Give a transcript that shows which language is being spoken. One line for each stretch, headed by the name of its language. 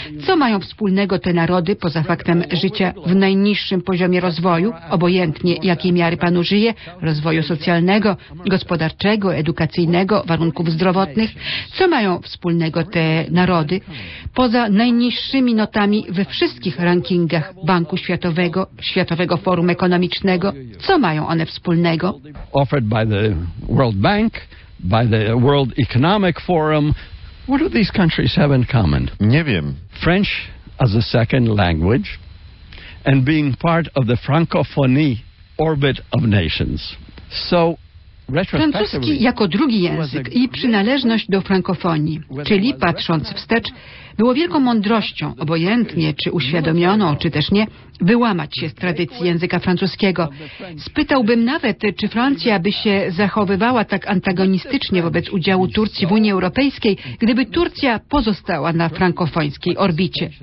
Polish: Co mają wspólnego te narody poza faktem życia w najniższym poziomie rozwoju, obojętnie jakiej miary panu żyje, rozwoju socjalnego, gospodarczego, edukacyjnego, warunków zdrowotnych? Co mają wspólnego te narody poza najniższymi notami we wszystkich rankingach Banku Światowego, Światowego Forum Ekonomicznego? Co mają one wspólnego?
English: Offered by the World Bank, by the World Economic Forum. What do these countries have in common?
Polish: Nie wiem.
English: French as a second language and being part of the Francophonie orbit of nations. So,
Polish: francuski jako drugi język i przynależność do frankofonii, czyli patrząc wstecz, było wielką mądrością, obojętnie czy uświadomioną, czy też nie, wyłamać się z tradycji języka francuskiego. Spytałbym nawet, czy Francja by się zachowywała tak antagonistycznie wobec udziału Turcji w Unii Europejskiej, gdyby Turcja pozostała na frankofońskiej orbicie.